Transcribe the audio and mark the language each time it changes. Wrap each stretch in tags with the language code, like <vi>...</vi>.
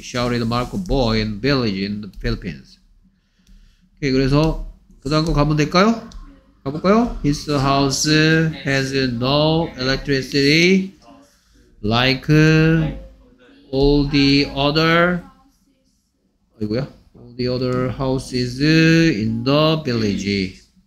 <en>Shouted Marco boy in village in the Philippines.</en> <ko>오케이, 그래서 그 다음 거 가면 될까요? 가볼까요?</ko> <en>His house has no electricity like all the other</en> <ko>아이고야</ko> <en>the other houses in the village.</en>